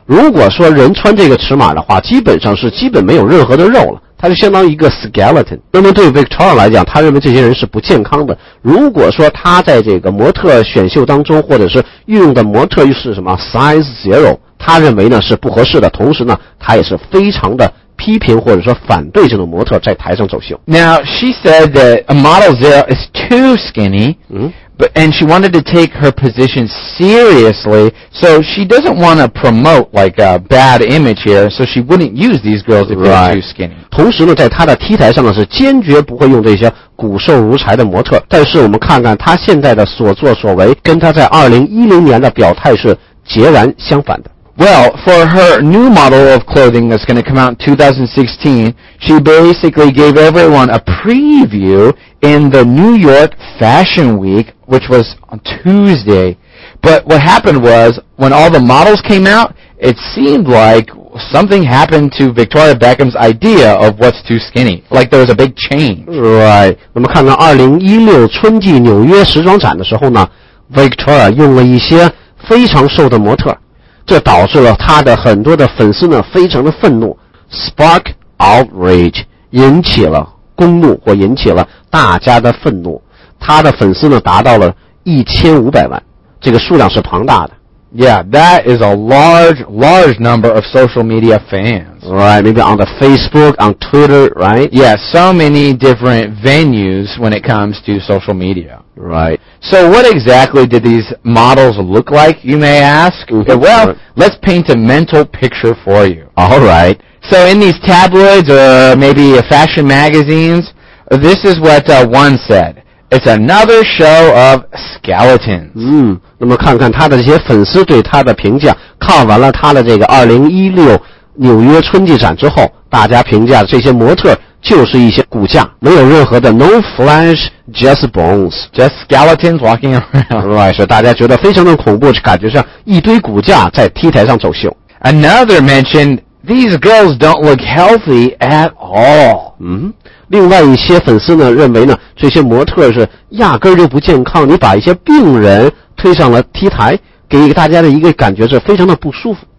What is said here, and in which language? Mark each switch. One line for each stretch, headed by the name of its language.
Chinese: 如果说人穿这个尺码的话，基本上是基本没有任何的肉了，它就相当于一个 skeleton。那么对 Victoria 来讲，他认为这些人是不健康的。如果说他在这个模特选秀当中或者是运用的模特又是什么 size zero, 他认为呢是不合适的，同时呢他也是非常的批评或者说反对这种模特在台上走秀。
English: Now, she said that a model zero is too skinny,、嗯、 but, and she wanted to take her position seriously, so she doesn't want to promote like a bad image here, so she wouldn't use these girls if、 right. they're too skinny.
Chinese: 同时呢在她的 T 台上呢是坚决不会用这些骨瘦如柴的模特，但是我们看看她现在的所作所为跟她在2010年的表态是截然相反的。
English: Well, for her new model of clothing that's going to come out in 2016, she basically gave everyone a preview in the New York Fashion Week, which was on Tuesday. But what happened was, when all the models came out, it seemed like something happened to Victoria Beckham's idea of what's too skinny. Like there was a big change.
Chinese: Right. 我们看到2016春季纽约时装展的时候呢 ,Victoria 用了一些非常瘦的模特。这导致了他的很多的粉丝呢非常的愤怒 ,
English: spark outrage,
Chinese: 引起了公怒或引起了大家的愤怒。他的粉丝呢达到了1500万，这个数量是庞大的。
English: Yeah, that is a large, large number of social media fans. Right, maybe on the Facebook, on Twitter, right? Yeah, so many different venues when it comes to social media. Right. So what exactly did these models look like, you may ask? Mm-hmm. Well, let's paint a mental picture for you. All right. So in these tabloids or maybe fashion magazines, this is what one said. It's another show of skeletons.
Chinese: 嗯，那么看看他的这些粉丝对他的评价，看完了他的这个2016纽约春季展之后，大家评价这些模特就是一些骨架，没有任何的
English: no flesh, just bones. Just skeletons walking around.
Chinese: Right, 所以大家觉得非常的恐怖，感觉像一堆骨架在 T 台上走秀。
English: Another mentioned, these girls don't look healthy at all. 嗯。
Chinese: 另外一些粉丝呢认为呢这些模特是压根就不健康，你把一些病人推上了 T 台，给大家的一个感觉是非常的不舒服。